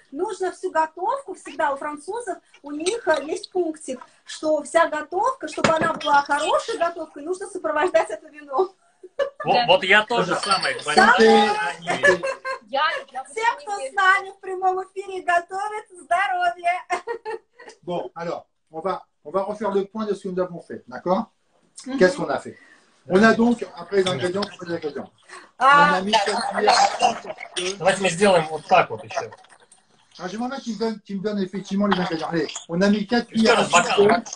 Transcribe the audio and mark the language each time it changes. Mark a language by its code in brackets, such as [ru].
[ru] Нужно всю готовку всегда. У французов, у них есть пунктик, что вся готовка, чтобы она была хорошей готовкой, нужно сопровождать это вино. Вот я тоже самый. Все, кто с нами в прямом эфире, готовят здоровье. [fr] Bon, alors, on va refaire le point de ce que nous avons fait, d'accord? Qu'est-ce qu'on a fait? On a donc, après les ingrédients, on a mis 4 cuillères à soupe. [ru] Давайте мы сделаем вот так вот еще. [fr] Alors, j'aimerais bien qu'il me donne effectivement les ingrédients. Allez, on a mis 4 cuillères à soupe.